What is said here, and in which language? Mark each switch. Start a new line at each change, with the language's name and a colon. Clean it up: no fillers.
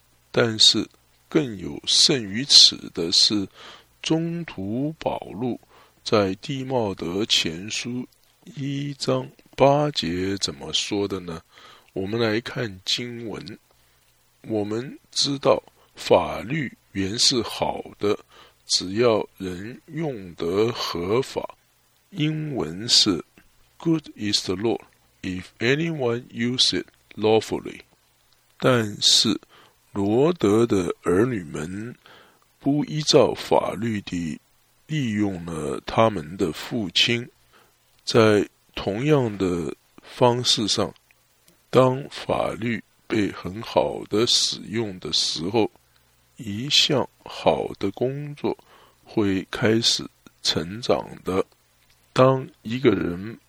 Chinese: 但是更有甚于此的是，中途保禄在地茂德前书一章八节怎么说的呢？我们来看经文。我们知道法律原是好的，只要人用得合法。英文是
English: Good is the law, if anyone use it lawfully。
Chinese: 但是罗德的儿女们不依照法律地利用了他们的父亲。在同样的方式上，当法律被很好的使用的时候，一项好的工作会开始成长的。当一个人